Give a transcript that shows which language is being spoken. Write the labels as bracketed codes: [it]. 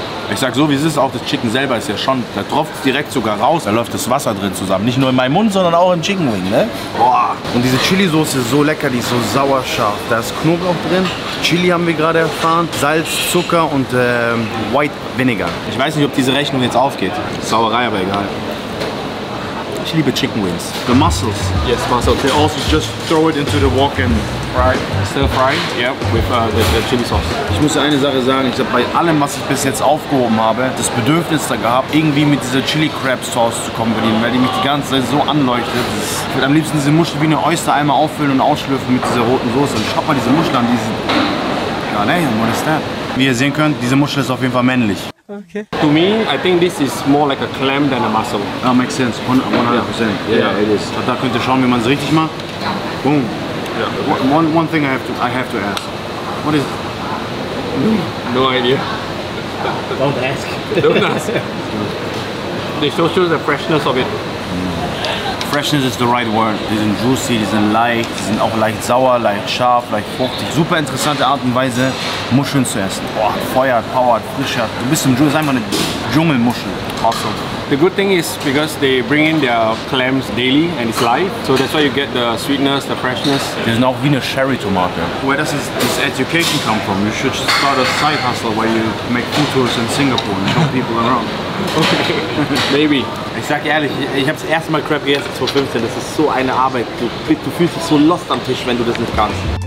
[de] Ich sag so, wie es ist, auch das Chicken selber ist ja schon, da tropft es direkt sogar raus, da läuft das Wasser drin zusammen. Nicht nur in meinem Mund, sondern auch im Chicken Wing, ne? Boah. Und diese Chili-Soße ist so lecker, die ist so sauerscharf. Da ist Knoblauch drin, Chili haben wir gerade erfahren, Salz, Zucker und White Vinegar. Ich weiß nicht, ob diese Rechnung jetzt aufgeht. Sauerei, aber egal. Ich liebe Chicken Wings. [en] The mussels. Yes, mussels. They also just throw it into the wok and fry. Still frying? Yeah, with the chili sauce. [de] Ich muss eine Sache sagen, ich habe bei allem, was ich bis jetzt aufgehoben habe, das Bedürfnis da gehabt, irgendwie mit dieser Chili Crab Sauce zu kombinieren, weil die mich die ganze Zeit so anleuchtet. Ich würde am liebsten diese Muschel wie eine Oyster einmal auffüllen und ausschlürfen mit dieser roten Soße. Und schaut mal diese Muschel an, die sind... [en] God damn, what is that? [de] Wie ihr sehen könnt, diese Muschel ist auf jeden Fall männlich. [en] Okay. To me, I think this is more like a clam than a mussel. Oh, makes sense. 100%. Yeah, it is. [de] Da könnt ihr schauen, wie man es richtig macht. Boom. [en] Yeah. One thing I have to ask. What is? No idea. Don't ask. Don't ask. They show you the freshness of it. Freshness is the right word. [de] Die sind juicy, die sind leicht, die sind auch leicht sauer, leicht scharf, leicht fruchtig. Super interessante Art und Weise, Muscheln zu essen. Boah, Feuer, Power, Frische. Du bist im Dschungel, ist einfach eine Dschungelmuschel. [en] Awesome. The good thing is because they bring in their clams daily and it's live. So that's why you get the sweetness, the freshness. [de] Die sind auch wie eine Cherry-Tomate. [en] Where does this education come from? You should start a side hustle where you make food tours in Singapore and show people around. Okay, maybe. [de] Ich sag ehrlich, ich habe das erste Mal Crab gegessen 2015. Das ist so eine Arbeit. Du fühlst dich so lost am Tisch, wenn du das nicht kannst.